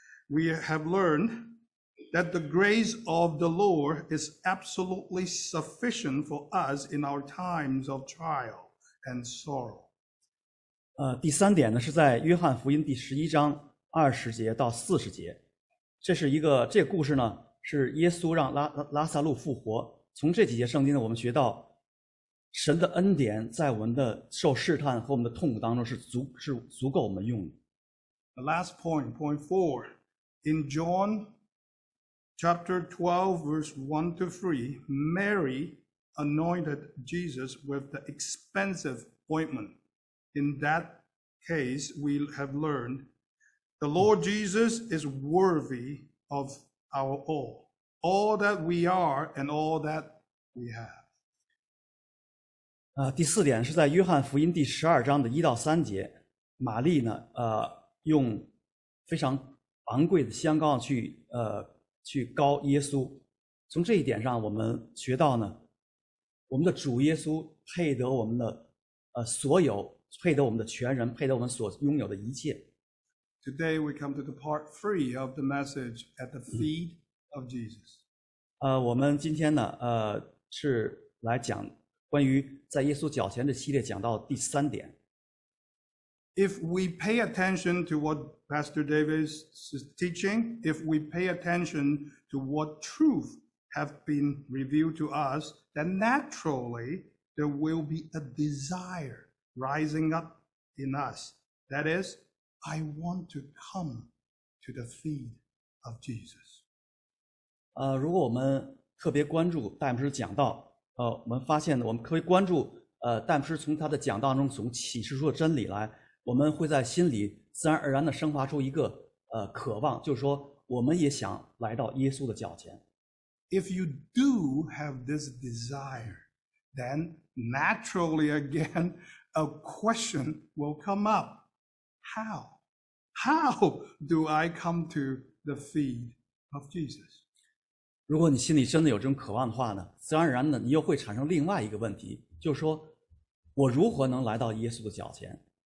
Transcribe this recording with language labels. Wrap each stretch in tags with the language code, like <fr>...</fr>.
<en>We have learned that the grace of the Lord is absolutely sufficient for us in our times of trial and sorrow.</en> <zh>第三点呢，是在约翰福音第十一章20节到40节。这个故事呢，是耶稣让拉萨路复活。从这几节圣经呢，我们学到神的恩典在我们的受试探和我们的痛苦当中是足够我们用的。</zh> <en>The last point four. In John chapter 12, verse 1-3, Mary anointed Jesus with the expensive ointment. In that case, we have learned the Lord Jesus is worthy of our all. all that we are and all that we have.</en> <zh>第四点是在约翰福音第十二章的一到三节，玛丽呢，用非常昂贵的香膏去膏耶稣。从这一点上，我们学到呢，我们的主耶稣配得我们的所有，配得我们的全人，配得我们所拥有的一切。</zh> <en>Today we come to the part three of the message at the feet of Jesus.</en> <zh>我们今天呢，是来讲关于在耶稣脚前的系列，讲到第三点。</zh> <en>If we pay attention to what Pastor Davis is teaching, if we pay attention to what truth have been revealed to us, then naturally there will be a desire rising up in us. That is, I want to come to the feet of Jesus.</en> <zh>如果我们特别关注戴姆斯讲道，我们发现我们可以关注戴姆斯从他的讲道中从启示出的真理来，我们会在心里自然而然地生发出一个渴望，就是说我们也想来到耶稣的脚前。</zh> <en>If you do have this desire, then naturally again a question will come up. How? How do I come to the feet of Jesus?</en> <zh>如果你心里真的有这种渴望的话呢，自然而然的你又会产生另外一个问题，就是说我如何能来到耶稣的脚前？</zh>